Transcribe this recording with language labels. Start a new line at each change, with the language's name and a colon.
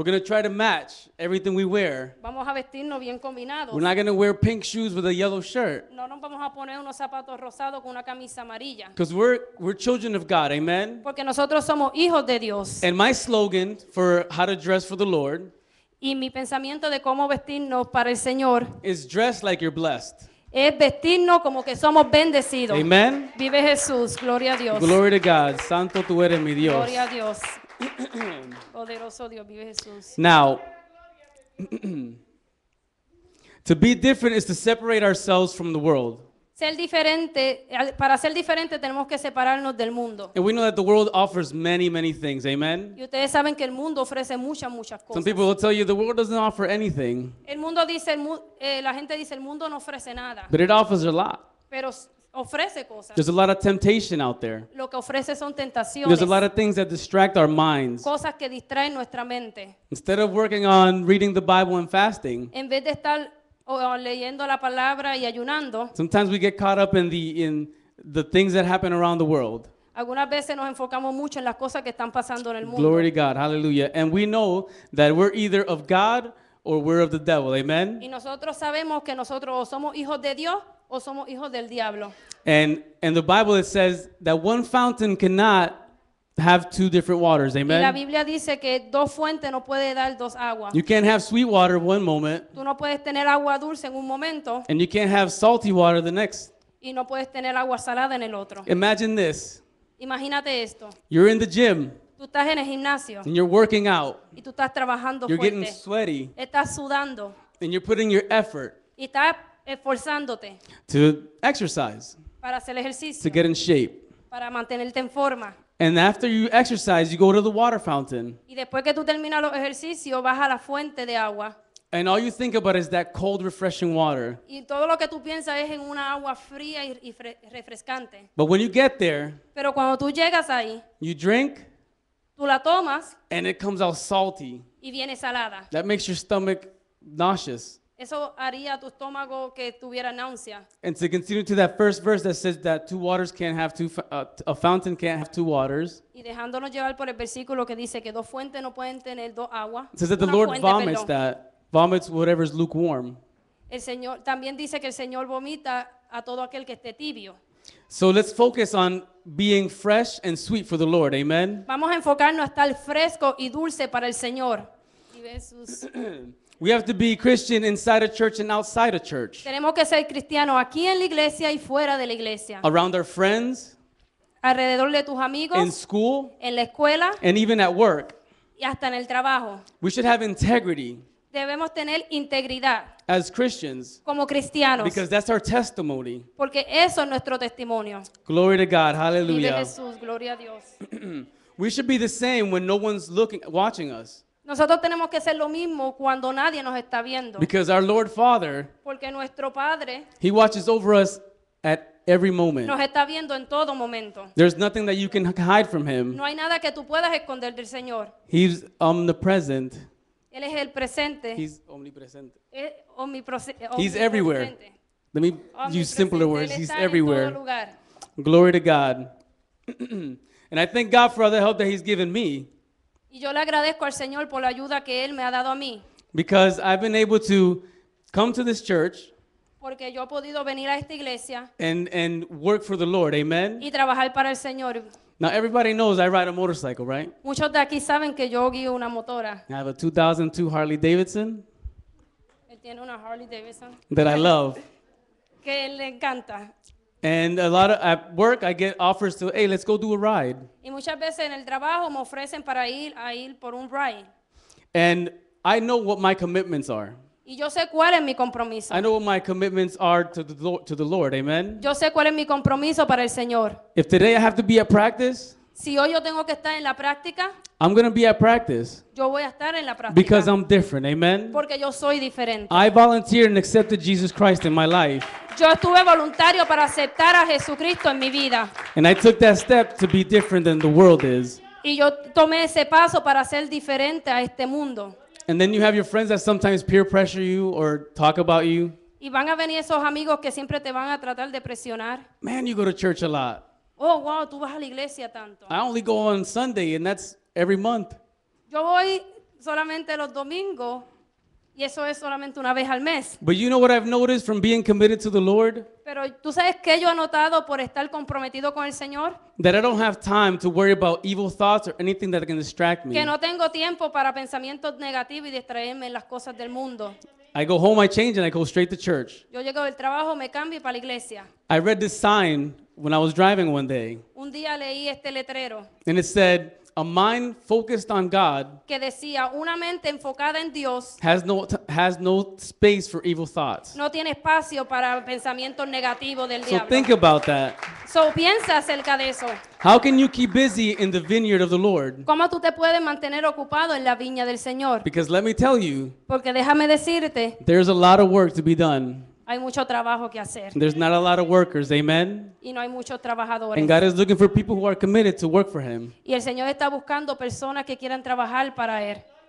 English: We're going to try to match everything we wear.
Spanish: Vamos a vestirnos bien combinados.
English: We're not going to wear pink shoes with a yellow shirt.
Spanish: No nos vamos a poner unos zapatos rosados con una camisa amarilla.
English: Because we're children of God, amen?
Spanish: Porque nosotros somos hijos de Dios.
English: And my slogan for how to dress for the Lord,
Spanish: y mi pensamiento de cómo vestirnos para el Señor,
English: is dress like you're blessed.
Spanish: Es vestirnos como que somos bendecidos.
English: Amen.
Spanish: Vive Jesús. Gloria a Dios.
English: Glory to God.
Spanish: Santo tú eres mi Dios. Gloria a Dios. Poderoso Dios. Vive Jesús.
English: Now, to be different is to separate ourselves from the world.
Spanish: Ser diferente, para ser diferente tenemos que separarnos del mundo.
English: And we know that the world offers many, many things. Amen.
Spanish: Y ustedes saben que el mundo ofrece muchas, muchas cosas.
English: Some people will tell you the world doesn't offer anything.
Spanish: El mundo dice, la gente dice el mundo no ofrece nada.
English: But it offers a lot.
Spanish: Pero ofrece cosas.
English: There's a lot of temptation out there.
Spanish: Lo que ofrece son tentaciones.
English: There's a lot of things that distract our minds.
Spanish: Cosas que distraen nuestra mente.
English: Instead of working on reading the Bible and fasting.
Spanish: En vez de estar o leyendo la palabra y ayunando.
English: Sometimes we get caught up in the things that happen around the world.
Spanish: Algunas veces nos enfocamos mucho en las cosas que están pasando en el mundo.
English: Glory to God, hallelujah. And we know that we're either of God or we're of the devil, amen?
Spanish: Y nosotros sabemos que nosotros o somos hijos de Dios o somos hijos del diablo.
English: And the Bible, it says that one fountain cannot have two different waters, amen.
Spanish: Y la Biblia dice que dos fuentes no puede dar dos aguas.
English: You can't have sweet water one moment.
Spanish: Tú no puedes tener agua dulce en un momento.
English: And you can't have salty water the next.
Spanish: Y no puedes tener agua salada en el otro.
English: Imagine this.
Spanish: Imagínate esto.
English: You're in the gym.
Spanish: Tú estás en el gimnasio.
English: And you're working out.
Spanish: Y tú estás trabajando fuerte.
English: getting sweaty.
Spanish: Estás sudando.
English: And you're putting your effort.
Spanish: Y estás esforzándote.
English: To exercise.
Spanish: Para hacer ejercicio.
English: To get in shape.
Spanish: Para mantenerte en forma.
English: And after you exercise, you go to the water fountain.
Spanish: Y después que tú terminas los ejercicios, vas a la fuente de agua.
English: And all you think about is that cold, refreshing water.
Spanish: Y todo lo que tú piensas es en una agua fría y refrescante.
English: But when you get there,
Spanish: pero cuando tú llegas ahí,
English: you drink,
Spanish: tú la tomas,
English: and it comes out salty.
Spanish: Y viene salada.
English: That makes your stomach nauseous.
Spanish: Eso haría tu estómago que tuviera náusea.
English: And to continue to that first verse that says that two waters can't have two, a fountain can't have two waters.
Spanish: Y dejándonos llevar por el versículo que dice que dos fuentes no pueden tener dos aguas.
English: It says that the Lord vomits that, vomits whatever is lukewarm.
Spanish: El Señor también dice que el Señor vomita a todo aquel que esté tibio.
English: So let's focus on being fresh and sweet for the Lord. Amen.
Spanish: Vamos a enfocarnos a estar fresco y dulce para el Señor. Y Jesús.
English: We have to be Christian inside a church and outside a church.
Spanish: Tenemos que ser cristiano aquí en la iglesia y fuera de la iglesia.
English: Around our friends.
Spanish: Alrededor de tus amigos.
English: In school.
Spanish: En la escuela.
English: And even at work.
Spanish: Y hasta en el trabajo.
English: We should have integrity.
Spanish: Debemos tener integridad.
English: As Christians.
Spanish: Como cristianos.
English: Because that's our testimony.
Spanish: Porque eso es nuestro testimonio.
English: Glory to God. Hallelujah.
Spanish: Vive Jesús. Gloria a Dios.
English: We should be the same when no one's looking, watching us.
Spanish: Nosotros tenemos que ser lo mismo cuando nadie nos está viendo.
English: Because our Lord Father,
Spanish: porque nuestro Padre,
English: He watches over us at every moment.
Spanish: Nos está viendo en todo momento.
English: There's nothing that you can hide from Him.
Spanish: No hay nada que tú puedas esconder del Señor.
English: He's omnipresent.
Spanish: Él es el presente.
English: He's omnipresent. He's everywhere. Let me use simpler words.
Spanish: Él está
English: He's everywhere.
Spanish: En todo lugar.
English: Glory to God. And I thank God for all the help that He's given me.
Spanish: Y yo le agradezco al Señor por la ayuda que Él me ha dado a mí.
English: Because I've been able to come to this church.
Spanish: porque yo he podido venir a esta iglesia
English: and work for the Lord, amen.
Spanish: Y trabajar para el Señor.
English: Now everybody knows I ride a motorcycle, right?
Spanish: Muchos de aquí saben que yo guío una motora.
English: I have a 2002 Harley Davidson.
Spanish: Él tiene una Harley Davidson.
English: That I love.
Spanish: Que le encanta.
English: And a lot of at work I get offers to, hey, let's go do a ride.
Spanish: Y muchas veces en el trabajo me ofrecen para ir a ir por un ride.
English: And I know what my commitments are.
Spanish: Y yo sé cuál es mi compromiso.
English: I know what my commitments are to the Lord, amen.
Spanish: Yo sé cuál es mi compromiso para el Señor.
English: If today I have to be at practice,
Spanish: si hoy yo tengo que estar en la práctica,
English: I'm going to be at practice.
Spanish: Yo voy a estar en la práctica.
English: Because I'm different, amen.
Spanish: Porque yo soy diferente.
English: I volunteered and accepted Jesus Christ in my life.
Spanish: Yo estuve voluntario para aceptar a Jesucristo en mi vida.
English: And I took that step to be different than the world is.
Spanish: Y yo tomé ese paso para ser diferente a este mundo.
English: And then you have your friends that sometimes peer pressure you or talk about you.
Spanish: Y van a venir esos amigos que siempre te van a tratar de presionar.
English: Man, you go to church a lot.
Spanish: Oh, wow, tú vas a la iglesia tanto.
English: I only go on Sunday and that's every month.
Spanish: Yo voy solamente los domingos y eso es solamente una vez al mes.
English: But you know what I've noticed from being committed to the Lord?
Spanish: Pero tú sabes qué yo he notado por estar comprometido con el Señor?
English: That I don't have time to worry about evil thoughts or anything that can distract me.
Spanish: Que no tengo tiempo para pensamientos negativos y distraerme en las cosas del mundo.
English: I go home, I change, and I go straight to church.
Spanish: Yo llego del trabajo, me cambio para la iglesia.
English: I read this sign when I was driving one day.
Spanish: Un día leí este letrero.
English: And it said, a mind focused on God
Spanish: que decía, una mente enfocada en Dios
English: has no space for evil thoughts.
Spanish: No tiene espacio para pensamientos negativos del
English: diablo. So think about that.
Spanish: So piensa acerca de eso.
English: How can you keep busy in the vineyard of the Lord?
Spanish: ¿Cómo tú te puedes mantener ocupado en la viña del Señor?
English: Because let me tell you,
Spanish: porque déjame decirte,
English: there's a lot of work to be done.
Spanish: Hay mucho trabajo que hacer.
English: There's not a lot of workers, amen?
Spanish: Y no hay muchos trabajadores.
English: And God is looking for people who are committed to work for Him.
Spanish: Y el Señor está buscando personas que quieran trabajar para Él.